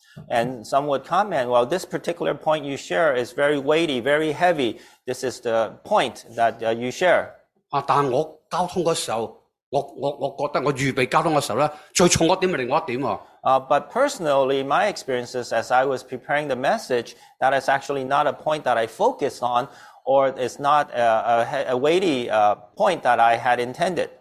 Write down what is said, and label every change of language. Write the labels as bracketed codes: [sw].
[en] ？And some would comment, well, this particular point you share is very weighty, very heavy. This is the point that you share. [yue] 啊，但我交通嘅时候，我觉得我预备交通嘅时候咧，最重个点系另外一点啊。 [en] But personally, my experiences as I was preparing the message, that is actually not a point that I focus on, or is not a weighty point that I had intended.